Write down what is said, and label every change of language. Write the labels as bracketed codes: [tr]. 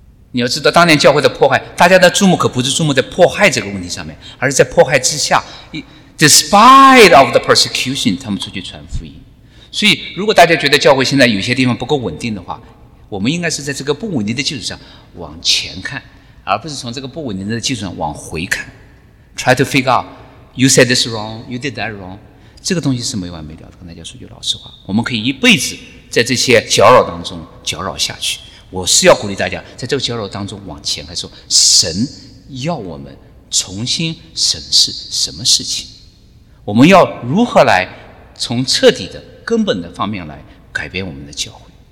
[zh] 你要知道当年教会的破坏，大家的注目可不是注目在迫害这个问题上面，而是在迫害之下 [en] despite of the persecution [zh] 他们出去传福音。所以如果大家觉得教会现在有些地方不够稳定的话，我们应该是在这个不稳定的基础上往前看，而不是从这个不稳定的基础上往回看。 [en] Try to figure out You said this wrong, you did that wrong， [zh] 这个东西是没完没了的。跟大家说句老实话，我们可以一辈子在这些搅扰当中搅扰下去。我是要鼓励大家在这个交流当中往前，还说神要我们重新审视什么事情，我们要如何来从彻底的根本的方面来改变我们的教会。